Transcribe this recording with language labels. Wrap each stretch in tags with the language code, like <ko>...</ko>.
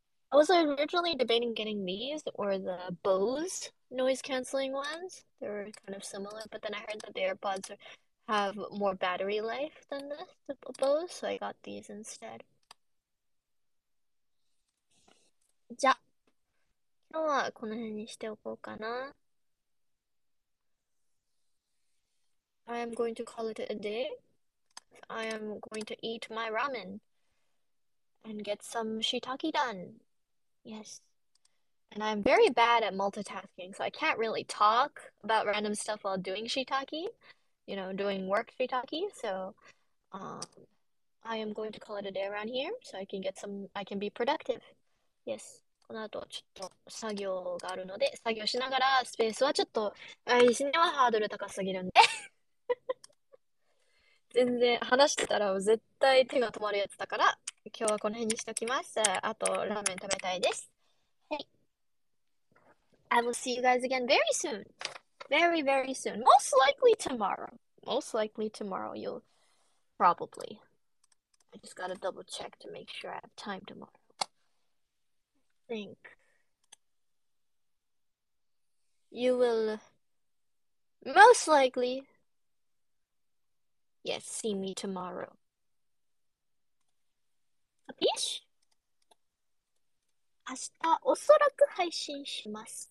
<en>I was originally debating getting these or the Bose noise canceling ones. They're kind of similar, but then I heard that the AirPods have more battery life than the Bose, so I got these instead.</en> <ja>じゃあ、今日はこの辺にしておこうかな。</ja> <en>I am going to call it a day. I am going to eat my ramen and get some shiitake done. Yes. And I'm very bad at multitasking, so I can't really talk about random stuff while doing shiitake, doing work shiitake. So, I am going to call it a day around here so I can be productive. Yes.</en> <ja>この後ちょっと作業があるので、作業しながらスペースはちょっと、配信ではハードル高すぎるんで。全然話してたら絶対手が止まるやつだから、今日はこの辺にしときます。あと、ラーメン食べたいです。</ja> <en>I will see you guys again very soon. Very, very soon. Most likely tomorrow. Most likely tomorrow, you'll probably. I just gotta double check to make sure I have time tomorrow. Think you will most likely, yes, see me tomorrow. A fish?</en> <ja>明日おそらく配信します。</ja>